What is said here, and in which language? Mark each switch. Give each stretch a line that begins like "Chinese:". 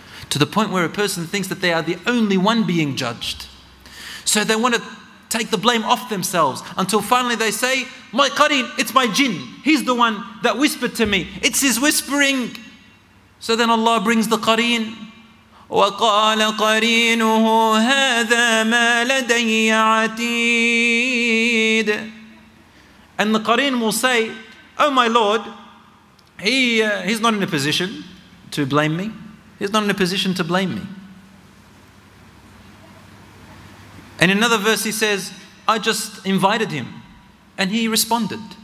English: To the point where a person thinks that they are the only one being judged. So they want to take the blame off themselves until finally they say, my qareen, it's my jinn. He's the one that whispered to me. It's his whispering. So then Allah brings the qareen.
Arabic: وقال قرينه هذا ما لدي عتيد.
English: And the Qareen will say, oh my lord, he's not in a position to blame me. He's not in a position to blame me. And in another verse he says, I just invited him and he responded.